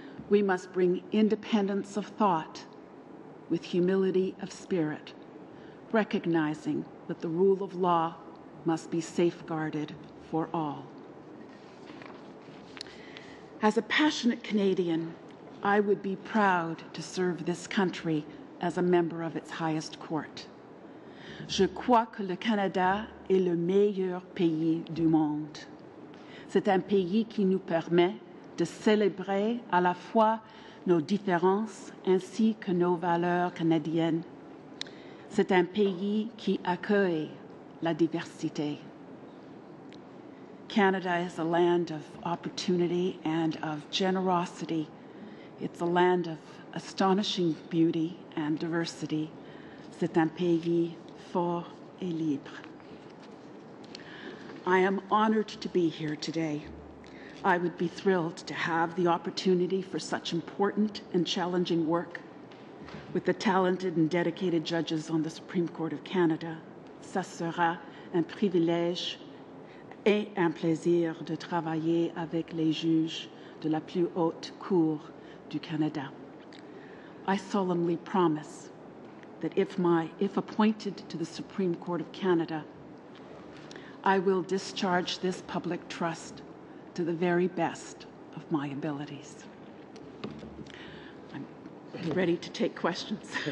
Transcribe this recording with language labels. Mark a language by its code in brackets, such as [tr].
[en] We must bring independence of thought with humility of spirit, recognizing that the rule of law must be safeguarded for all. As a passionate Canadian, I would be proud to serve this country as a member of its highest court. [fr] Je crois que le Canada est le meilleur pays du monde. C'est un pays qui nous permet de célébrer à la fois nos différences ainsi que nos valeurs canadiennes. C'est un pays qui accueille la diversité. [en] Canada is a land of opportunity and of generosity. It's a land of astonishing beauty and diversity. [fr] C'est un pays fort et libre. [en] I am honored to be here today. I would be thrilled to have the opportunity for such important and challenging work with the talented and dedicated judges on the Supreme Court of Canada. [fr] Ça sera un privilège et un plaisir de travailler avec les juges de la plus haute cour du Canada. [en] I solemnly promise that if appointed to the Supreme Court of Canada, I will discharge this public trust to the very best of my abilities. I'm ready to take questions.